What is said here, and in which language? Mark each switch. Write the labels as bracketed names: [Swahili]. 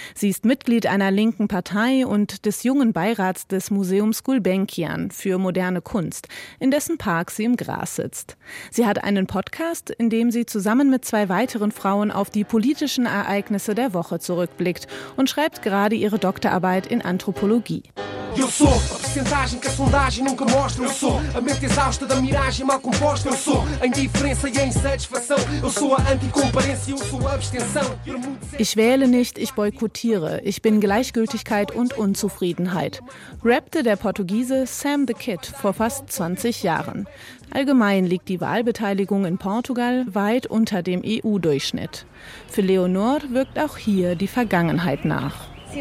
[German] Sie ist Mitglied einer linken Partei und des jungen Beirats des Museums Gulbenkian für moderne Kunst, in dessen Park sie im Gras sitzt. Sie hat einen Podcast, in dem sie zusammen mit zwei weiteren Frauen auf die politischen Ereignisse der Woche zurückblickt und schreibt gerade ihre Doktorarbeit in Anthropologie. [Portuguese] Eu sou a percentagem que a sondagem nunca mostra. Eu sou a mente exausta da miragem mal composta. Eu sou a indiferença e a insatisfação. Eu sou a anticomparência, eu sou a abstenção. [German] Ich wähle nicht, ich boykottiere. Ich bin Gleichgültigkeit und Unzufriedenheit, rappte der Portugiese Sam the Kid vor fast 20 Jahren. Allgemein liegt die Wahlbeteiligung in Portugal weit unter dem EU-Durchschnitt. Für Leonor wirkt auch hier die Vergangenheit nach.